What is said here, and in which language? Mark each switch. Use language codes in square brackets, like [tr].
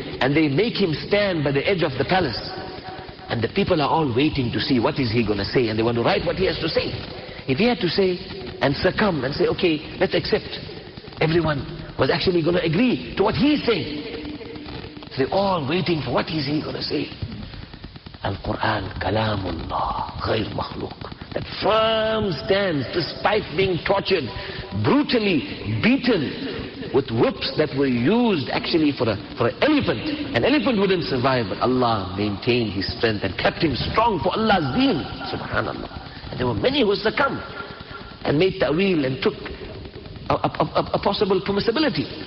[en] And they make him stand by the edge of the palace. And the people are all waiting to see what is he going to say. And they want to write what he has to say. If he had to say and succumb and say, okay, let's accept, everyone was actually going to agree to what he's saying. So they're all waiting for what is he going to say. [ar] القرآن كلام الله غير مخلوق. [en] That firm stands despite being tortured, brutally beaten with whips that were used actually for an elephant. An elephant wouldn't survive, but Allah maintained his strength and kept him strong for Allah's deen. Subhanallah. And there were many who succumbed and made ta'wil and took a possible permissibility.